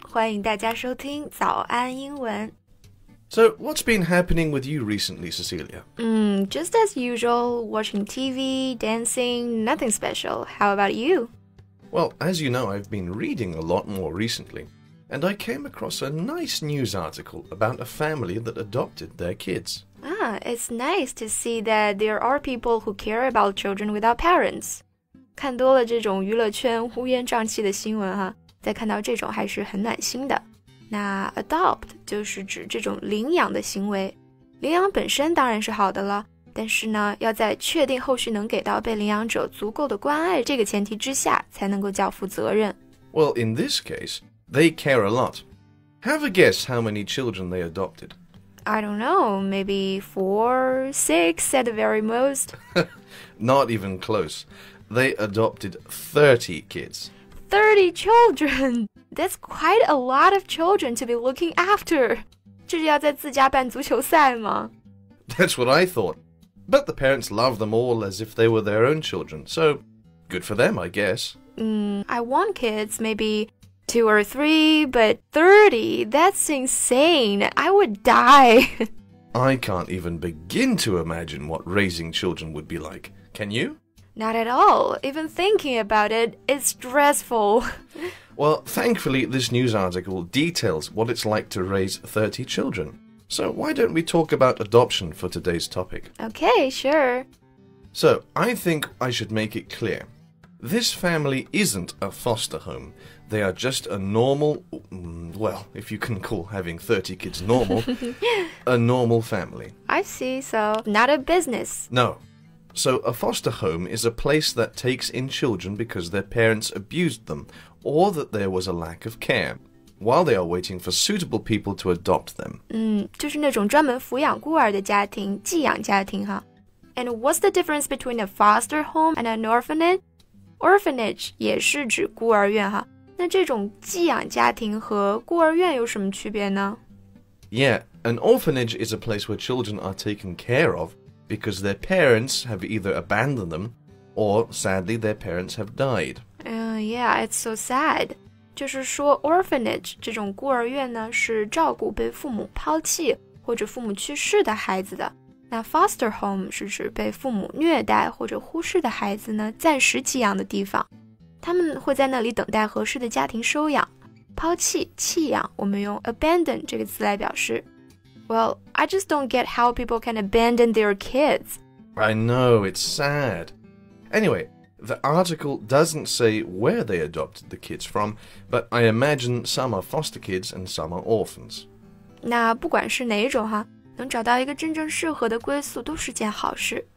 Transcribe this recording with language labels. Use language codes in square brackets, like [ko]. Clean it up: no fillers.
[zh] 欢迎大家收听早安英文。 [en] So, what's been happening with you recently, Cecilia? Just as usual, watching TV, dancing, nothing special. How about you? Well, as you know, I've been reading a lot more recently, and I came across a nice news article about a family that adopted their kids. It's nice to see that there are people who care about children without parents. [zh] 看多了这种娱乐圈乌烟瘴气的新闻啊，再看到这种还是很暖心的。那 adopt 就是指这种领养的行为，领养本身当然是好的了，但是呢，要在确定后续能给到被领养者足够的关爱这个前提之下，才能够叫负责任。 [en] Well, in this case, they care a lot. Have a guess how many children they adopted. I don't know, maybe 4, 6 at the very most. Not even close. They adopted 30 kids. 30 children? That's quite a lot of children to be looking after. [zh] 这是要在自家办足球赛吗? [en] That's what I thought. But the parents love them all as if they were their own children. So, good for them, I guess. I want kids, maybe 2 or 3, but 30, that's insane. I would die. I can't even begin to imagine what raising children would be like. Can you? Not at all. Even thinking about it, it's stressful. Well, thankfully, this news article details what it's like to raise 30 children. So why don't we talk about adoption for today's topic? Okay, sure. So, I think I should make it clear. This family isn't a foster home. They are just a normal, well, if you can call having 30 kids normal, a normal family. I see, so not a business. No. So, a foster home is a place that takes in children because their parents abused them, or that there was a lack of care, while they are waiting for suitable people to adopt them. [zh] 就是那种专门抚养孤儿的家庭，寄养家庭哈。 [en] And what's the difference between a foster home and an orphanage? [zh] Orphanage 也是指孤儿院哈。那这种寄养家庭和孤儿院有什么区别呢? [en] Yeah, an orphanage is a place where children are taken care of,because their parents have either abandoned them, or sadly, their parents have died. It's so sad. [zh] 就是说 orphanage, 这种孤儿院呢是照顾被父母抛弃或者父母去世的孩子的。那 foster home 是指被父母虐待或者忽视的孩子呢暂时寄养的地方。他们会在那里等待合适的家庭收养。抛弃、弃养我们用 abandon 这个词来表示。 [en] Well, I just don't get how people can abandon their kids. I know, it's sad. Anyway, the article doesn't say where they adopted the kids from, but I imagine some are foster kids and some are orphans. [zh] 那不管是哪一种哈，能找到一个真正适合的归宿都是件好事。